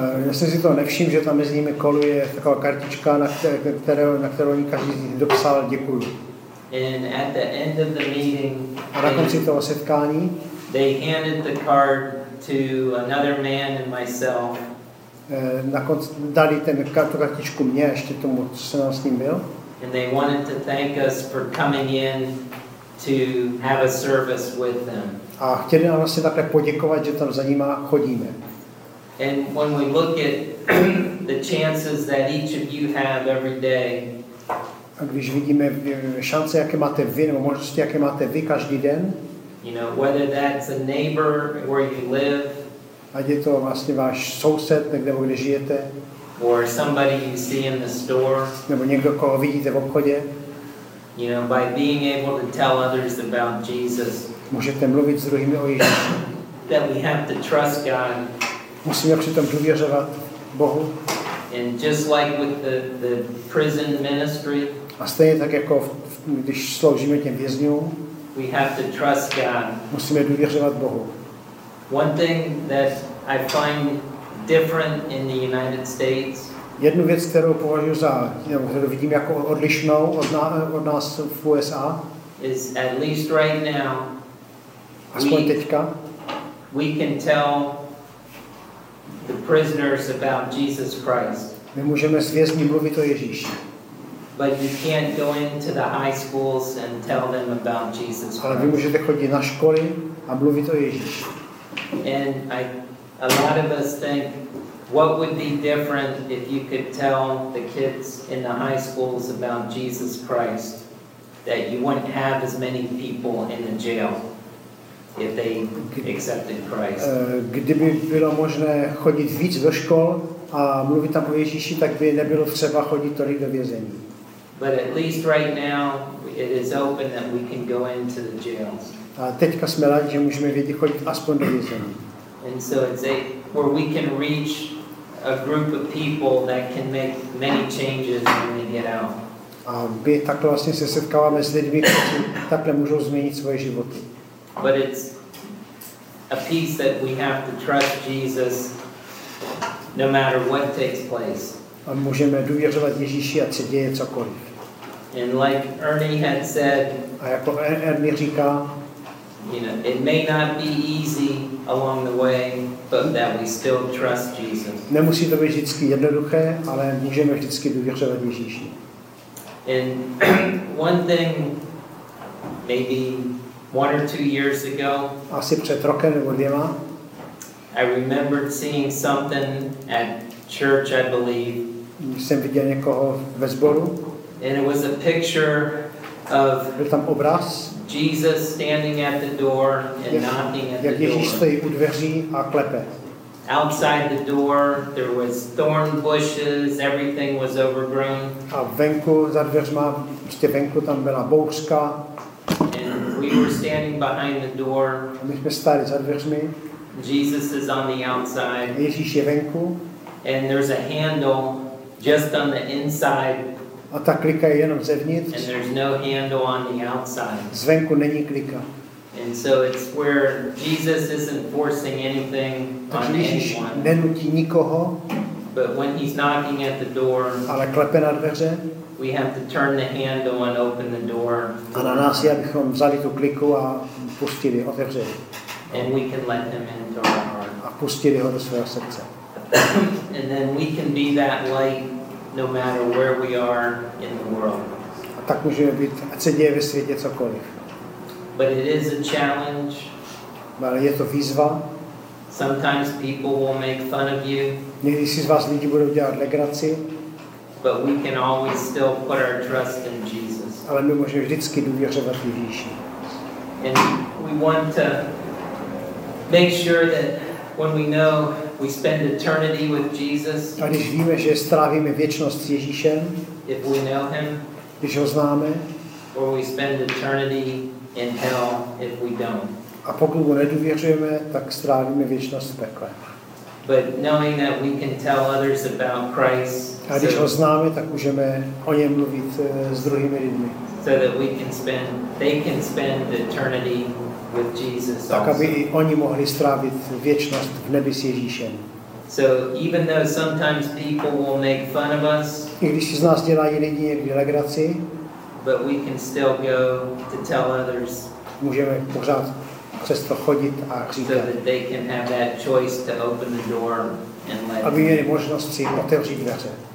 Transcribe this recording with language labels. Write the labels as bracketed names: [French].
[Czech] Já jsem si to nevšiml, že tam mezi nimi koluje taková kartička, na kterou oni každý z nich dopsal děkuju. [English] And at the end of the meeting, [Czech] na konci toho setkání, [English] they handed the card to another man and myself. [Czech] Na konci dali ten kartičku mě a ještě tomu, co jsem s ním byl. [English] And they wanted to thank us for coming in to have a service with them. [Czech] A chtěli nám vlastně takhle poděkovat, že tam za nima chodíme. [English] And when we look at the chances that each of you have every day, [Czech] a když vidíme šance, jaké máte vy, nebo možnosti, jaké máte vy každý den, [English] you know, whether that's a neighbor where you live, [Czech] ať je to vlastně váš soused, někde, kde žijete, [English] or somebody you see in the store, [Czech] nebo někdo, koho vidíte v obchodě, [English] you know, by being able to tell others about Jesus, [Czech] můžete mluvit s druhými o Ježíši, [English] that we have to trust God, [Czech] musíme přitom důvěřovat Bohu, [English] and just like with the prison ministry, [Czech] a stejně tak jako když sloužíme těm vězňům, [English] we have to trust God, [Czech] musíme důvěřovat Bohu. [English] One thing that I find different in the United States. [Czech] Jednu věc, kterou považuji za, kterou vidím jako odlišnou od nás v USA, [English] is at least right now. [Czech] Aspoň teďka. [English] We can tell the prisoners about Jesus Christ. [Czech] My můžeme s vězni mluvit o Ježíši. [English] But you can't go into the high schools and tell them about Jesus Christ. [Czech] Ale vy můžete chodit na školy a mluvit o Ježíši. [English] And a lot of us think, what would be different if you could tell the kids in the high schools about Jesus Christ, that you wouldn't have as many people in the jail if they accepted Christ. [Czech] Kdyby bylo možné chodit víc do škol a mluvit tam o Ježíši, tak by nebylo třeba chodit tolik do vězení. [English] But at least right now it is open that we can go into the jails. [Czech] A teďka jsme rádi, že můžeme vědět chodit aspoň do vězení. [English] And so it's a, where we can reach a group of people that can make many changes when they get out. [Czech] A my takhle vlastně se setkáváme s lidmi, kteří takhle můžou změnit svoje životy. [English] But it's a piece that we have to trust Jesus no matter what takes place. [Czech] A můžeme důvěřovat Ježíši, ať se děje cokoliv. [English] And like Ernie had said, [Czech] a jako Ernie říká, [English] you know, it may not be easy along the way, but that we still trust Jesus. [Czech] Nemusí to být vždycky jednoduché, ale můžeme vždycky důvěřovat Ježíši. [English] And one thing, maybe one or two years ago, [Czech] asi před rokem nebo dvěma, [English] I remembered seeing something at church, I believe. [Czech] Jsem viděl někoho ve sboru. [English] And it was a picture of, [Czech] byl tam obraz, [English] Jesus standing at the door and knocking at the door. [Czech] Jak Ježíš stojí u dveří a klepe. [English] Outside the door there was thorn bushes, everything was overgrown. [Czech] A venku za dveřma, prostě venku tam byla bouřka. [English] And we were standing behind the door. [Czech] A my jsme stáli za dveřmi. [English] Jesus is on the outside. [Czech] Ježíš je venku. [English] And there's a handle just on the inside. [Czech] A ta klika je jenom zevnitř. [English] And there's no handle on the outside. [Czech] Zvenku není klika. [English] And so it's where Jesus isn't forcing anything on anyone. [Czech] Takže Ježíš nenutí nikoho. [English] But when he's knocking at the door, [Czech] ale klepe na dveře, [English] we have to turn the handle and open the door. [Czech] A na nás je, abychom vzali tu kliku a pustili, otevřeli. [English] And we can let him into our heart. [Czech] A pustili ho do svého srdce. [English] And then we can be that light no matter where we are in the world. [Czech] A tak můžeme být, ať se děje ve světě cokoliv. [English] But it is a challenge. [Czech] Ale je to výzva. [English] Sometimes people will make fun of you. [Czech] Někdy si z vás lidi budou dělat legraci. [English] But we can always still put our trust in Jesus. [Czech] Ale my můžeme vždycky důvěřovat Ježíši. [English] And we want to make sure that when we know we spend eternity with Jesus. [Czech] A když víme, že strávíme věčnost s Ježíšem, [English] if we know him, [Czech] když ho známe, [English] or we spend eternity in hell if we don't. [Czech] A pokud mu nedůvěřujeme, tak strávíme věčnost v pekle. [English] But knowing that we can tell others about Christ, [Czech] a když ho známe, tak můžeme o něm mluvit s druhými lidmi. [English] So that we can spend, they can spend eternity with Jesus. [Czech] Tak aby i oni mohli strávit věčnost v nebi s Ježíšem. [English] So even though sometimes people will make fun of us, [Czech] i když si z nás dělají lidi někdy legraci, [English] but we can still go to tell others. [Czech] Můžeme pořád přesto chodit a říkat. [English] So that they can have that choice to open the door and let. [Czech] Aby měli možnost si otevřít dveře.